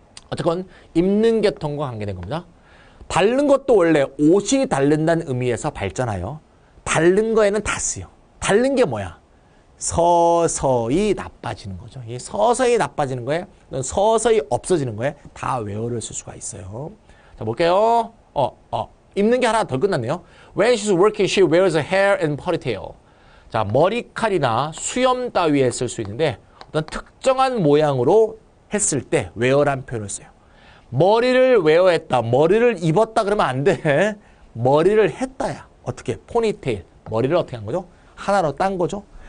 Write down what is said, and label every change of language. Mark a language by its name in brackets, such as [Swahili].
[Korean] 어쨌건 입는 계통과 관계된 겁니다. 다른 것도 원래 옷이 다른다는 의미에서 발전하여 다른 거에는 다 쓰여. 다른 게 뭐야? 서서히 나빠지는 거죠. 이 서서히 나빠지는 거에, 또는 서서히 없어지는 거에 다 외어를 쓸 수가 있어요. 자, 볼게요. 입는 게 하나 더 끝났네요. [English] When she's working, she wears hair and ponytail. [Korean] 자, 머리칼이나 수염 따위에 쓸수 있는데 어떤 특정한 모양으로 했을 때 외어란 표현을 써요. 머리를 웨어했다, 머리를 입었다 그러면 안 돼. 머리를 했다야. 어떻게? 포니테일. 머리를 어떻게 한 거죠? 하나로 딴 거죠?